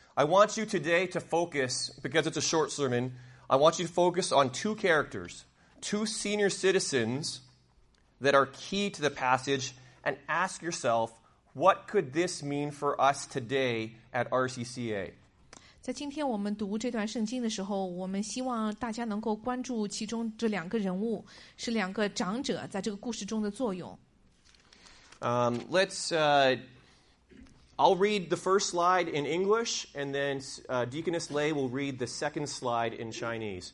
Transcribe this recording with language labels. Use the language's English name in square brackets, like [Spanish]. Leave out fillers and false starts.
[English] I want you today to focus because it's a short sermon. I want you to focus on two characters, two senior citizens that are key to the passage, and ask yourself, what could this mean for us today at RCCA? [Chinese] 在今天我们读这段圣经的时候，我们希望大家能够关注其中这两个人物，是两个长者在这个故事中的作用。 [English] I'll read the first slide in English, and then Deaconess Lay will read the second slide in Chinese.